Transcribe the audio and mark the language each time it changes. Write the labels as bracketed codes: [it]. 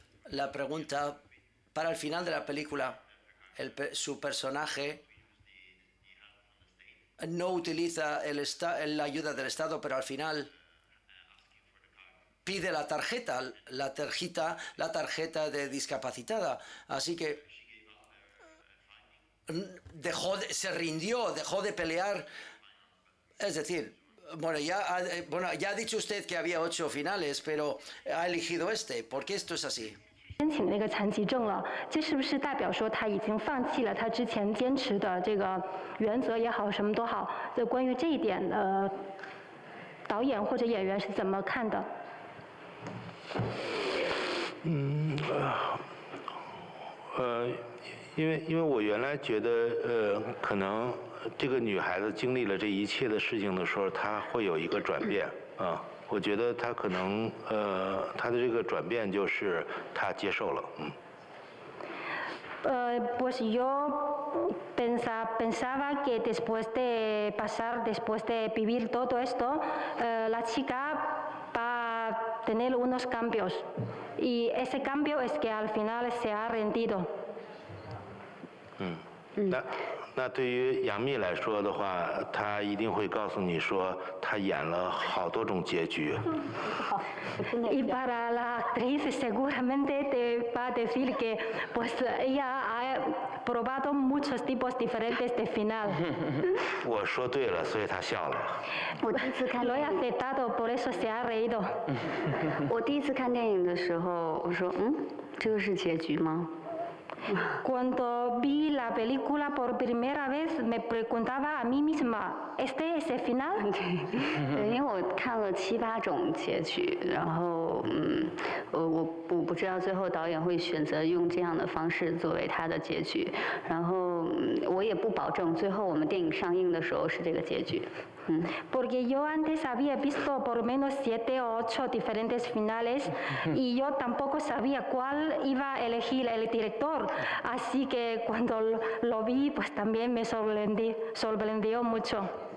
[es] La pregunta para el final de la película, su personaje no utiliza la ayuda del Estado, pero al final pide la tarjeta de discapacitada. Así que... dejó de pelear, es decir, bueno, ya ha dicho usted que había 8 finales, pero ha elegido este, porque esto es así. [zh] 申请那个残疾证了，这是不是代表说他已经放弃了他之前坚持的这个原则也好，什么都好？就关于这一点，导演或者演员是怎么看的？因为我原来觉得，可能这个女孩子经历了这一切的事情的时候，她会有一个转变啊。我觉得她可能，她的这个转变就是她接受了， [es] Pues yo pensaba que después de vivir todo esto, la chica va a tener unos cambios. Y ese cambio es que al final se ha rendido. [zh] 那对于杨幂来说的话，她一定会告诉你说，她演了好多种结局。 [es] Y para la actriz seguramente te va a decir que pues ella ha probado muchos tipos diferentes de final. [zh] 我说对了，所以她笑了。 [es] Lo he aceptado, por eso se ha reído. [zh] 我第一次看电影的时候，我说，这个是结局吗？ [es] Cuando vi la película por primera vez, me preguntaba a mí misma, ¿este es el final? Sí, porque yo vi 7-8 finales, y no sé si el director decidirá usar esta forma como su final. [zh] 我也不保证最后我们电影上映的时候是这个结局。 [es] Porque yo antes había visto por lo menos 7 o 8 diferentes finales y yo tampoco sabía cuál iba a elegir el director. Así que cuando lo vi, pues también me sorprendió mucho.